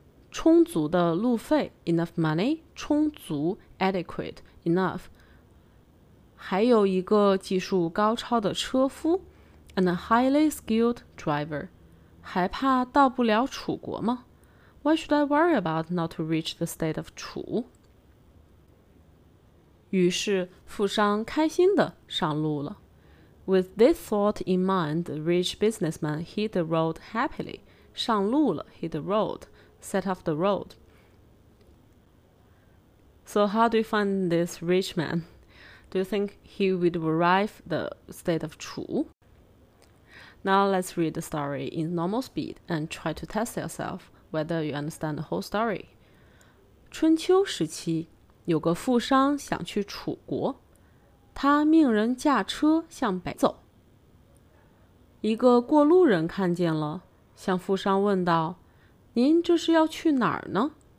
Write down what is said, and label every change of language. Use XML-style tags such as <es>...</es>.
<zh>充足的路费</zh> <en>enough money, 充足 adequate, enough.</en> <zh>还有一个技术高超的车夫</zh> <en>and a highly skilled driver.</en> <zh>还怕到不了楚国吗</zh> <en>Why should I worry about not to reach the state of Chu?</en> <zh>于是富商开心地上路了。</zh> <en>With this thought in mind, the rich businessman hit the road happily.</en> <zh>上路了</zh> <en>hit the road, set off the road. So how do you find this rich man? Do you think he would arrive the state of Chu? Now let's read the story in normal speed and try to test yourself whether you understand the whole story.</en> <zh>春秋时期有个富商想去楚国，他命人驾车向北走。一个过路人看见了，向富商问道：您这是要去哪儿呢？</zh>